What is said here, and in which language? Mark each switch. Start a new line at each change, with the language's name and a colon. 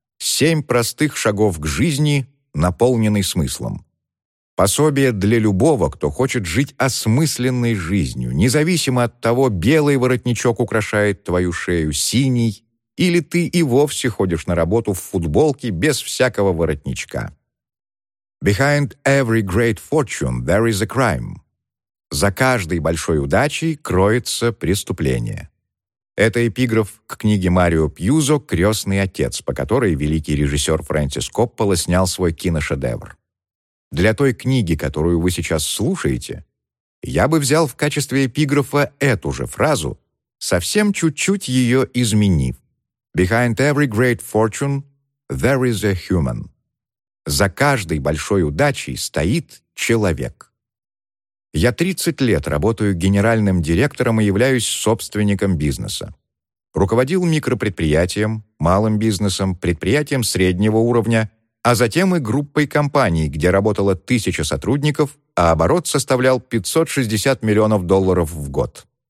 Russian: 7 простых шагов к жизни, наполненный смыслом. Пособие для любого, кто хочет жить осмысленной жизнью, независимо от того, белый воротничок украшает твою шею, синий, или ты и вовсе ходишь на работу в футболке без всякого воротничка.
English: Behind every great fortune there is a crime.
Russian: За каждой большой удачей кроется преступление. Это эпиграф к книге Марио Пьюзо «Крестный отец», по которой великий режиссер Фрэнсис Коппола снял свой киношедевр. Для той книги, которую вы сейчас слушаете, я бы взял в качестве эпиграфа эту же фразу, совсем чуть-чуть ее изменив.
English: Behind every great fortune, there is a human.
Russian: За каждой большой удачей стоит человек. Я 30 лет работаю генеральным директором и являюсь собственником бизнеса. Руководил микропредприятием, малым бизнесом, предприятием среднего уровня, а затем и группой компаний, где работало 1000 сотрудников, а оборот составлял 560 миллионов долларов в год.